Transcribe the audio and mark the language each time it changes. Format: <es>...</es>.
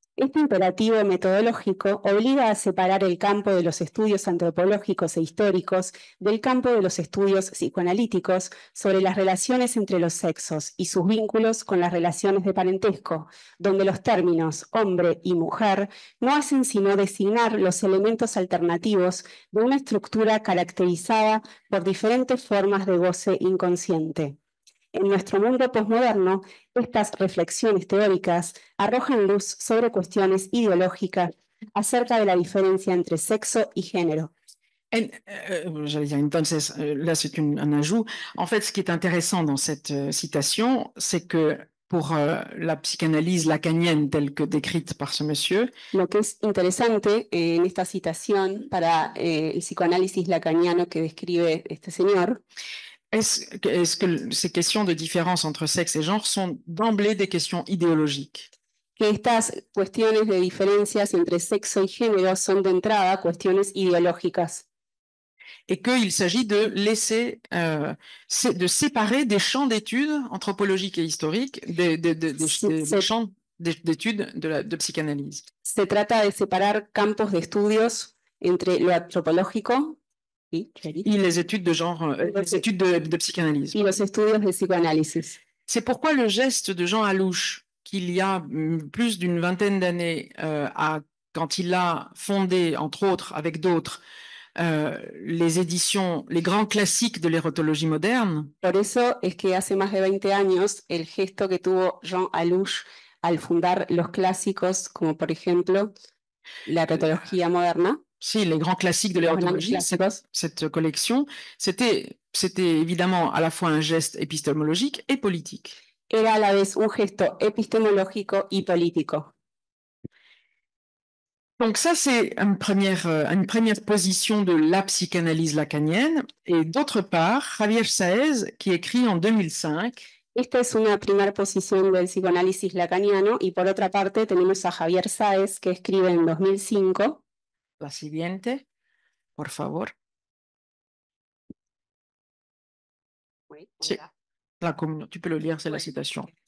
<es>Este imperativo metodológico obliga a separar el campo de los estudios antropológicos e históricos del campo de los estudios psicoanalíticos sobre las relaciones entre los sexos y sus vínculos con las relaciones de parentesco, donde los términos hombre y mujer no hacen sino designar los elementos alternativos de una estructura caracterizada por diferentes formas de goce inconsciente. En nuestro mundo posmoderno, estas reflexiones teóricas arrojan luz sobre cuestiones ideológicas acerca de la diferencia entre sexo y género.</es> <fr>J'allais dire, entonces, là c'est un ajout. En fait, ce qui est intéressant dans cette citation, c'est que pour la psychanalyse lacanienne telle que décrite par ce monsieur...</fr> <es>Lo que es interesante en esta citación para el psicoanálisis lacaniano que describe este señor...</es> <fr>Est-ce que ces questions de différence entre sexe et genre sont d'emblée des questions idéologiques?</fr> <es>Que estas cuestiones de diferencias entre sexo y género son de entrada cuestiones ideológicas.</es> <fr>Et qu'il s'agit de laisser, de séparer des champs d'études anthropologiques et historiques des champs d'études de psychanalyse.</fr> <es>Se trata de separar campos de estudios entre lo antropológico.</es> <fr>Y les études de genre, les études de psychanalyse.</fr> <es>Y los estudios de psicoanálisis.</es> <fr>C'est pourquoi le geste de Jean Alouche, qu'il y a plus d'une vingtaine d'années, quand il a fondé, entre autres, avec d'autres, les éditions, les grands classiques de l'érotologie moderne.</fr> <es>Por eso es que hace más de 20 años el gesto que tuvo Jean Alouche al fundar los clásicos, como por ejemplo la érotología moderna.</es> <fr>Si, les grands classiques de l'érotologie, cette collection, c'était évidemment à la fois un geste épistémologique et politique.</fr> <es>Era a la vez un gesto epistemológico y político.</es> <fr>Donc ça, c'est une première position de la psychanalyse lacanienne. Et d'autre part, Javier Saez, qui écrit en 2005...</fr> <es>Esta es una primera posición del psicoanálisis lacaniano. Y por otra parte, tenemos a Javier Saez, que escribe en 2005... La siguiente, por favor. Sí, la comunidad. Tú puedes leer, es la citación.</es>